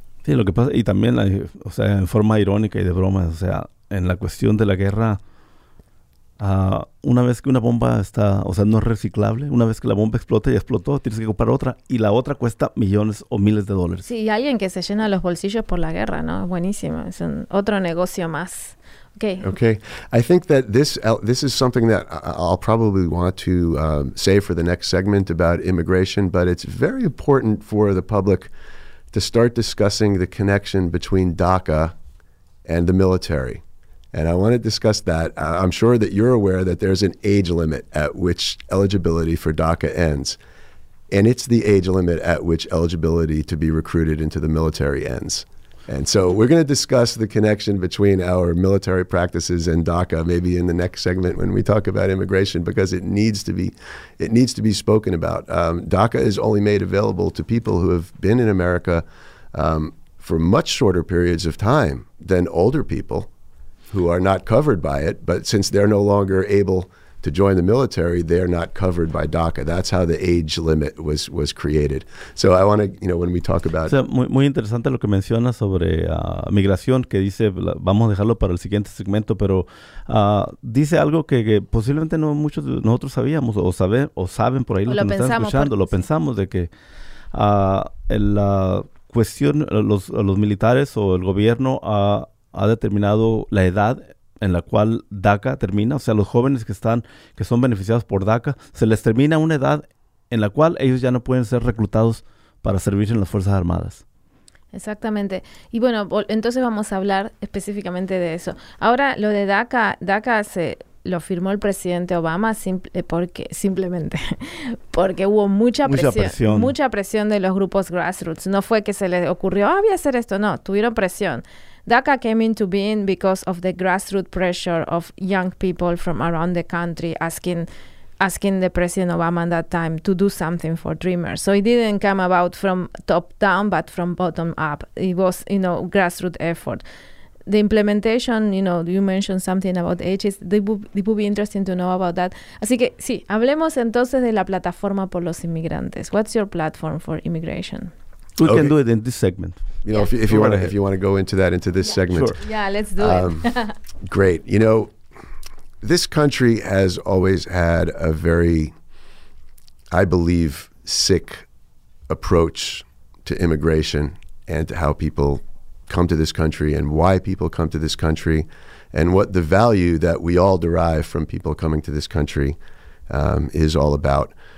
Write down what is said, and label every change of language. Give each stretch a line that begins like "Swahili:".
Spanish: Sí, lo que pasa, y también, o sea, en forma irónica y de broma, o sea, en la cuestión de la guerra, una vez que una bomba está, o sea, no es reciclable, una vez que la bomba explota y explotó, tienes que comprar otra, y la otra cuesta millones o miles de dólares. Sí, y alguien que se llena los bolsillos por la guerra, ¿no? Buenísimo, es un otro negocio más. Okay.
English: I think that this is something that I'll probably want to say for the next segment about immigration, but it's very important for the public to start discussing the connection between DACA and the military. And I want to discuss that. I'm sure that you're aware that there's an age limit at which eligibility for DACA ends. And it's the age limit at which eligibility to be recruited into the military ends. And so we're going to discuss the connection between our military practices and DACA maybe in the next segment when we talk about immigration, because it needs to be spoken about. DACA is only made available to people who have been in America for much shorter periods of time than older people who are not covered by it. But since they're no longer able to join the military, they're not covered by DACA. That's how the age limit was created. So I want to, you know, when we talk about...
Spanish: O sea, muy, muy interesante lo que menciona sobre migración, que dice, vamos a dejarlo para el siguiente segmento, pero dice algo que posiblemente no muchos de nosotros sabíamos o saben por ahí lo que nos están escuchando. Lo pensamos de que la cuestión, los militares o el gobierno ha determinado la edad en la cual DACA termina, o sea, los jóvenes que son beneficiados por DACA, se les termina una edad en la cual ellos ya no pueden ser reclutados para servir en las Fuerzas Armadas. Exactamente. Y bueno, entonces vamos a hablar específicamente de eso. Ahora, lo de DACA se lo firmó el presidente Obama simplemente porque hubo mucha presión de los grupos grassroots. No fue que se les ocurrió, voy a hacer esto. No, tuvieron presión.
English: DACA came into being because of the grassroots pressure of young people from around the country asking the President Obama at that time to do something for Dreamers. So it didn't come about from top down, but from bottom up. It was, you know, grassroots effort. The implementation, you know, you mentioned something about ages. It would be interesting to know about that.
Spanish: Así que, sí, hablemos entonces de la plataforma por los inmigrantes.
English: What's your platform for immigration? We can do it in this segment. You know, if you want to go into this segment. Sure. Yeah, let's do it. Great. You know, this country has always had a very, I believe, sick approach to immigration and to how people come to this country and why people come to this country and what the value that we all derive from people coming to this country is all about.